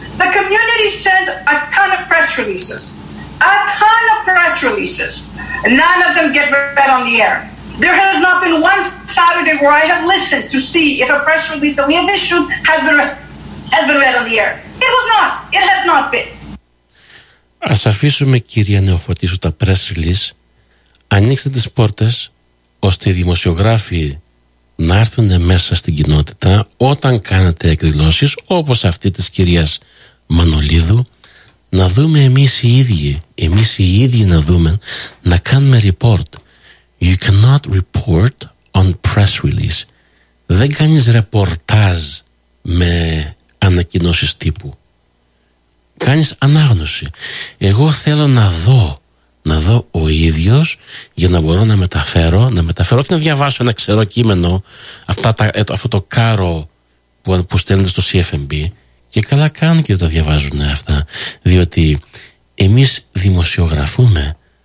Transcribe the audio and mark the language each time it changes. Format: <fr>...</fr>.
<en>The community sends a ton of press releases. A ton of press releases. None of them get read on the air. There has not been one Saturday where I have listened to see if a press release that we have issued has been read on the air. It was not. It has not been.</en> <el>Ας αφήσουμε, κυρία Νεοφωτίσου, τα press release. Ανοίξτε τις πόρτες ώστε οι δημοσιογράφοι να έρθουν μέσα στην κοινότητα όταν κάνετε εκδηλώσεις όπως αυτή της κυρίας Μανολίδου. Να δούμε εμείς οι ίδιοι να δούμε, να κάνουμε report.</el> <en>You cannot report on press release.</en> <el>Δεν κάνεις ρεπορτάζ με ανακοινώσεις τύπου. Κάνεις ανάγνωση. Εγώ θέλω να δω ο ίδιος για να μπορώ να μεταφέρω και να διαβάσω ένα ξερό κείμενο, αυτό το κάρο που στέλνεται στο CFMB, και καλά κάνουν και τα διαβάζουν αυτά, διότι εμείς δημοσιογραφούμε.</el>